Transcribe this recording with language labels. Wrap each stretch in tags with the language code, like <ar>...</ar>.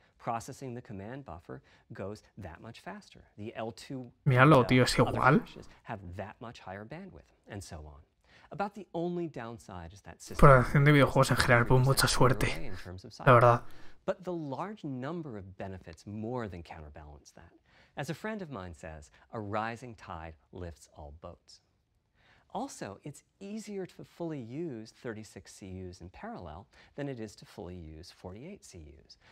<en>Processing the command buffer goes that much faster. The L2</en> <es>Míralo, tío, es igual.</es> <en>Have that much higher bandwidth and so on. About the only downside is that system.</en> <es>Producción de videojuegos en general, pues mucha suerte, la verdad.</es> <en>But the large number of benefits more than counterbalance that. As a friend of mine says, a rising tide lifts all boats. Also, it's easier to fully use 36 CUs in parallel than it is to fully use 48 CUs.</en>